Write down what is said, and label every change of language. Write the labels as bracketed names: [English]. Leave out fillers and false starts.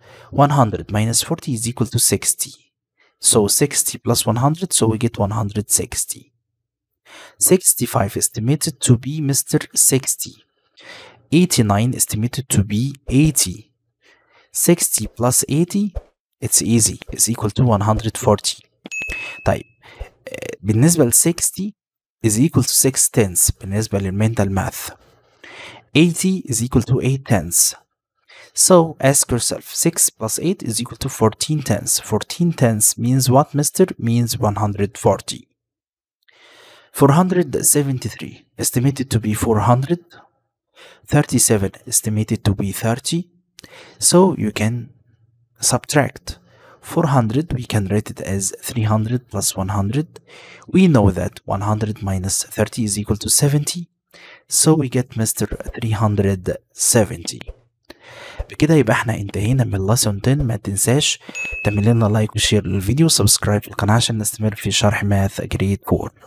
[English] 100 minus 40 is equal to 60. So 60 plus 100, so we get 160. 65 estimated to be Mr. 60. 89 estimated to be 80. 60 plus 80, it's easy, is equal to 140. [Arabic] طيب, بالنسبة ل [English] 60 is equal to 6 tenths [Arabic] بالنسبة للمنتال ماث. [English] 80 is equal to 8 tenths. So ask yourself, 6 plus 8 is equal to 14 tenths. 14 tenths means what, mister? Means 140. 473 estimated to be 400. 37 estimated to be 30. So you can subtract 400, we can write it as 300 plus 100. We know that 100 minus 30 is equal to 70, so we get Mr. 370. [Arabic] بكده يبقى احنا انتهينا من lesson 10. ما تنساش تعمل لنا لايك وشير للفيديو, سبسكرايب للقناة عشان نستمر في شرح math grade 4.